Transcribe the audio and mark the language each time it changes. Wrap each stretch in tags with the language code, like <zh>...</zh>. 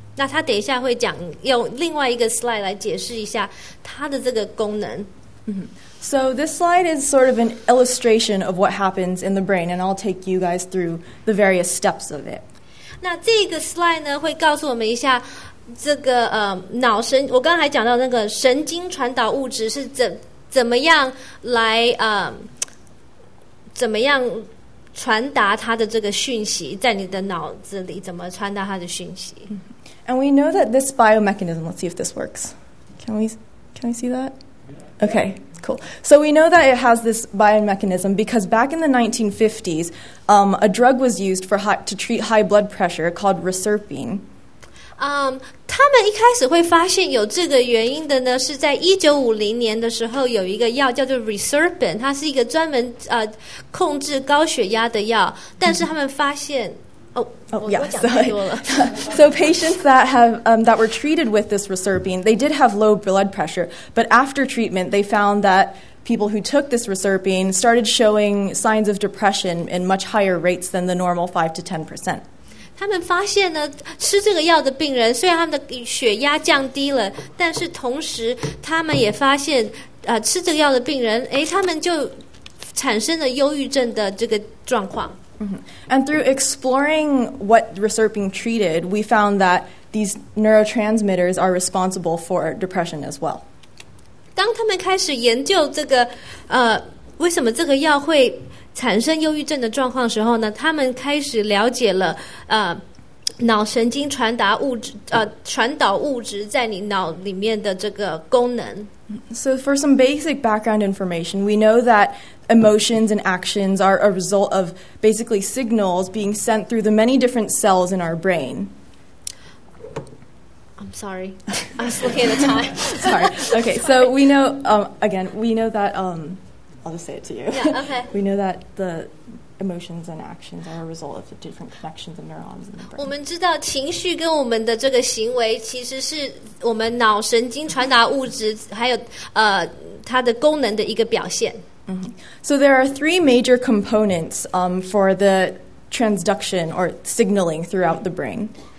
<zh>那他等一下会讲用另外一个 slide 来解释一下它的这个功能。</zh> <en>So this slide is sort of an illustration of what happens in the brain, and I'll take you guys through the various steps of it.</en> <zh>那这个 slide 呢，会告诉我们一下。这个脑神，我刚才讲到那个神经传导物质是怎么样来怎么样传达它的这个讯息在你的脑子里，怎么传达它的讯息</zh> <en>？And we know that this biomechanism. Let's see if this works. Can we see that? Okay. Cool. So we know that it has this biomechanism because back in the 1950s, a drug was used to treat high blood pressure called reserpine.</en> <zh>他们一开始会发现有这个原因的呢，是在1950年的时候有一个药叫做 reserpine， 它是一个专门控制高血压的药，但是他们发现。</zh> <en>So patients that that were treated with this reserpine, they did have low blood pressure. But after treatment, they found that people who took this reserpine started showing signs of depression in much higher rates than the normal 5-10%.</en> <zh>他们发现呢，吃这个药的病人虽然他们的血压降低了，但是同时他们也发现，吃这个药的病人，他们就产生了忧郁症的这个状况。</zh> <en>And through exploring what reserpine treated, we found that these neurotransmitters are responsible for depression as well.</en> <zh>当他们开始研究这个，为什么这个药会产生忧郁症的状况时候呢？他们开始了解了，脑神经传达物质，传导物质在你脑里面的这个功能。</zh> <en>So for some basic background information, we know that emotions and actions are a result of basically signals being sent through the many different cells in our brain. I'm sorry. I was looking at the time. Sorry. Okay, sorry. So we know, we know that, I'll just say it to you. Yeah, okay. We know that the emotions and actions are a result of the different connections of neurons in the brain.</en> <zh>我们知道情绪跟我们的这个行为其实是我们脑神经传达物质还有它的功能的一个表现。</zh> <en>So there are three major components for the transduction or signaling throughout the brain.</en>